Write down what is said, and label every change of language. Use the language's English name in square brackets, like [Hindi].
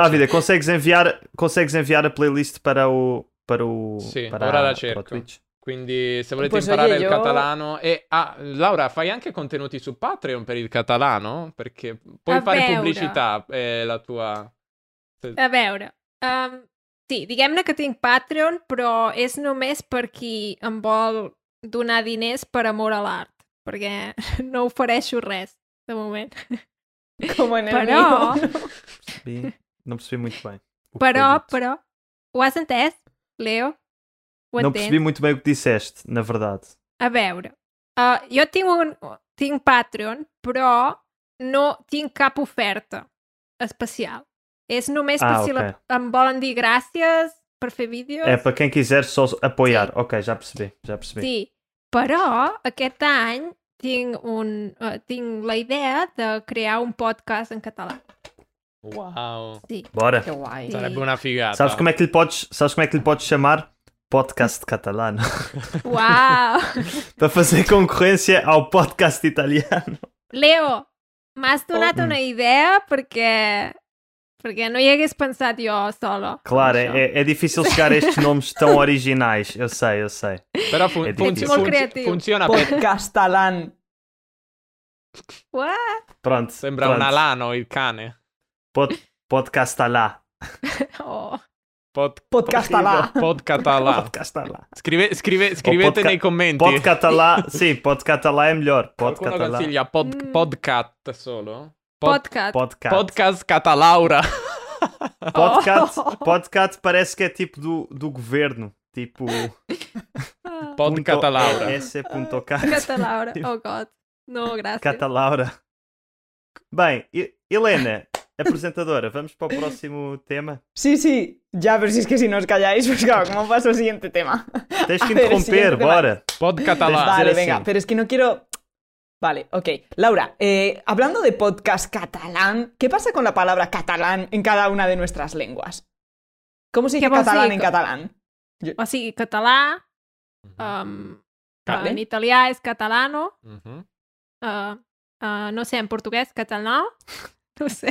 [Portuguese] Davide, consegues enviar a playlist para o [Italian] sì, para, ora la cerco. Twitch? Quindi se volete imparare il catalano e Laura, fai anche contenuti su Patreon per il catalano, perché puoi [Catalan] a [Italian] fare [Catalan] veure. [Italian] Pubblicità è la tua. [Catalan] A veure. Sì, diguem-ne que tinc Patreon, però és només per qui em vol donar diners per amor a l'art, perquè no ofereixo res de moment. Com en però... [Portuguese] Não percebi muito bem. [Catalan] Però, o has entès, Leo? [Portuguese] Não percebi muito bem o que disseste, na verdade. [Catalan] A veure, jo tinc Patreon, però no tinc cap oferta especial. És només per si em volen dir gràcies per fer vídeos. [Portuguese] É, per quem quiser só apoiar. Sí. Ok, já percebi. [Catalan] Sí, però aquest any... Tinc la idea de crear un podcast en català. Uau! Sí. [Portuguese] Bora! [Catalan] Que guai! [Italian] Sarebbe una figata. [Catalan] Saps com é que li pots chamar? [Italian] Podcast catalano. Uau! [Portuguese] Para fazer concorrência ao podcast italiano. [Catalan] Leo, m'has donat una idea perquè no hi hagués pensat jo solo. [Portuguese] Claro, é difícil chegar a estes nomes tão originais. Eu sei. [Catalan] Però funciona. Podcastalan. [English] What? [Portuguese] Pronto. [Italian] Sembra un alano, il cane. [Catalan] Podcastalà. Podcastalà. Podcatalà. Podcastalà. [Italian] Scrivete nei commenti. Podcatalà, sì, podcatalà è miglior. Qualcuno consiglia podcat solo? Podcast. Podcast Catalaura. [Portuguese] Podcast parece que é tipo do governo. Tipo. Podcatalaura. Catalaura. [English] Oh, God. [Portuguese] Não, graças. Catalaura. Bem, Helena, apresentadora, vamos para o próximo tema? Sim, sim. Já, mas se esqueci, não os calhais. Mas calma, como faço o seguinte tema? Tens que interromper, bora. Podcatalaura. Vale, assim. [Spanish] Venga, pero es que não quiero. Vale, ok. Laura, hablando de podcast catalán, ¿qué pasa con la palabra catalán en cada una de nuestras lenguas? ¿Cómo se dice catalán en catalán? O sea, catalá, en italiano es catalano, no sé, en portugués, catalán, no sé.